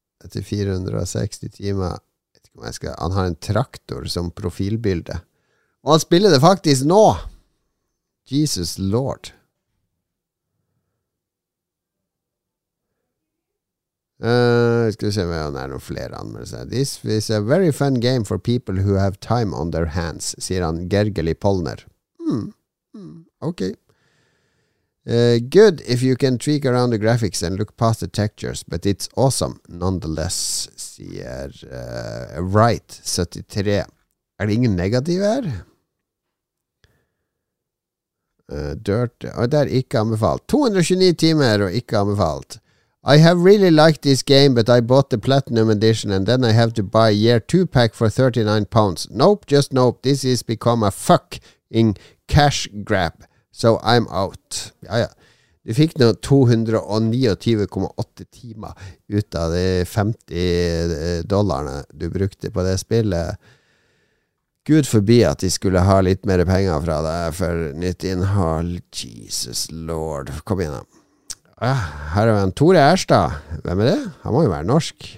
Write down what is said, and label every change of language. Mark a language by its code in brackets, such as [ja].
[no] Etter 460 timer, jeg vet ikke om jeg skal, han har en traktor som profilbilde. Og han spiller det faktisk nå. [en] Jesus Lord. [no] Skal vi se om det er noen flere anmeldelser. [en] This is a very fun game for people who have time on their hands, [no] sier han [en] Gergely Polner. Ok. Good if you can tweak around the graphics and look past the textures, but it's awesome nonetheless, [no] sier [en] Wright 73. [no] Er det ingen negativ her? Dirt, og det er ikke anbefalt. 229 timer og ikke anbefalt. [en] I have really liked this game, but I bought the Platinum Edition and then I have to buy a year 2 pack for £39. Nope, just nope, this has become a fucking cash grab. So I'm out. [no] Ja, ja. Du fikk nå 229,8 timer ut av de 50 dollarene du brukte på det spillet. Gud forbi at de skulle ha litt mer penger fra deg for nytt innhold. [en] Jesus Lord. [no] Kom igjen da. Her en Tore Erstad. Hvem det? Han må jo være norsk.